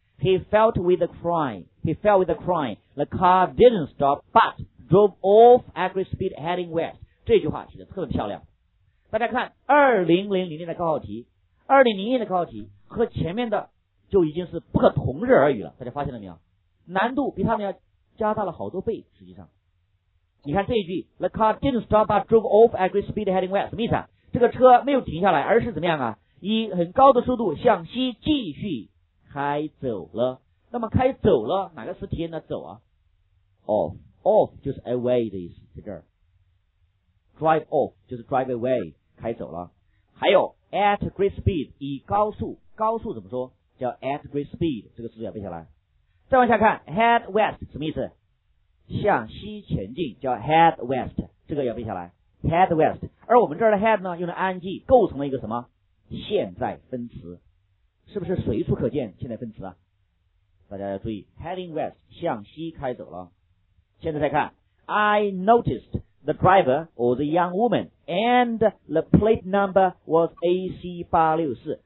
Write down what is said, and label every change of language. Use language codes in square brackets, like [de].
[en] He fell with a cry， He fell with a cry， The car didn't stop but drove off at great speed heading west。 [zh] 这句话写得特别漂亮。大家看2000年的高考题，2001的高考题和前面的就已经是不可同日而语了，大家发现了没有？难度比他们要加大了好多倍。实际上你看这一句 [en] The car didn't stop but drove off at great speed heading west， [zh] 什么意思啊？这个车没有停下来，而是怎么样啊？以很高的速度向西继续开走了。那么开走了哪个词体现的走啊？ off， off 就是 away 的意思，在这儿 drive off 就是 drive away， 开走了。还有 [en] at great speed， [zh] 以高速，高速怎么说？叫 [en] at great speed， [zh] 这个词要背下来。再往下看 [en] head west [zh] 什么意思？向西前进，叫 [en] head west， [zh] 这个要背下来 head west。而我们这儿的 head 呢用的 ing 构成了一个什么？现在分词，是不是随处可见现在分词啊？大家要注意 [en] heading west [zh] 向西开走了。现在再看 [en] I noticed the driver or the young womanAnd the plate number was AC864。